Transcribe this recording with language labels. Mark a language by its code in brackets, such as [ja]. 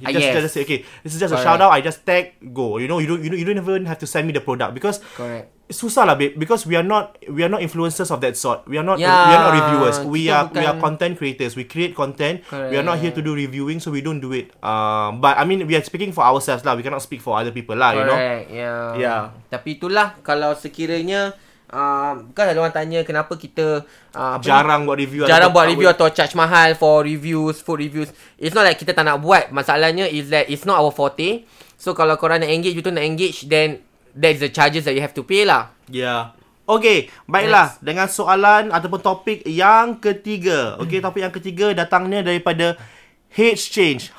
[en] Just say, okay, this is just a shout out, I just tag, go. You know, you don't even have to send me the product because [ms] susah lah, [en] babe, because we are not influencers of that sort. We are not reviewers. We are content creators. We create content. Correct. We are not here to do reviewing, so we don't do it. But I mean, we are speaking for ourselves lah. We cannot speak for other people lah, correct, you know. Yeah. [ms] Tapi itulah kalau sekiranya kan ada orang tanya kenapa kita jarang buat review [en] atau charge mahal for reviews, food reviews. It's not like [ms] kita tak nak buat. Masalahnya [en] is that it's not our forte. [ms] So kalau korang nak engage, you tu nak engage, [en] then that's the charges that you have to pay lah. Yeah. Okay, [ms] baiklah. Next. Dengan soalan ataupun topik yang ketiga. Okay, topik yang ketiga datangnya daripada H-Change.